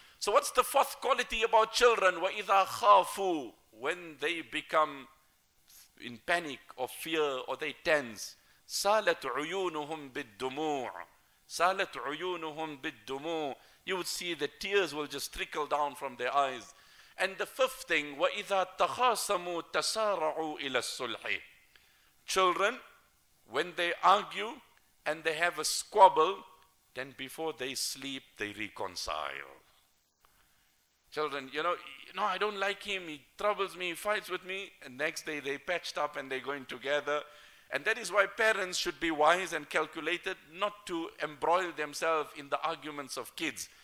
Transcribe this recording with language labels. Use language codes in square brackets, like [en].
[en] So what's the fourth quality about children? [ar] وَإِذَا خَافُوا. [en] When they become in panic or fear or they tense. [ar] سَالَتْ عُيُونُهُمْ بِالدُّمُوعِ. سَالَتْ عُيُونُهُمْ بِالدُّمُوعِ. [en] You would see the tears will just trickle down from their eyes. And the fifth thing, [ar] وَإِذَا تَخَاسَمُوا تَسَارَعُوا إِلَى الصُّلْحِ. [en] Children, when they argue and they have a squabble, then before they sleep, they reconcile. Children, you know, I don't like him, he troubles me, he fights with me. And next day they patched up and they go in together. And that is why parents should be wise and calculated not to embroil themselves in the arguments of kids.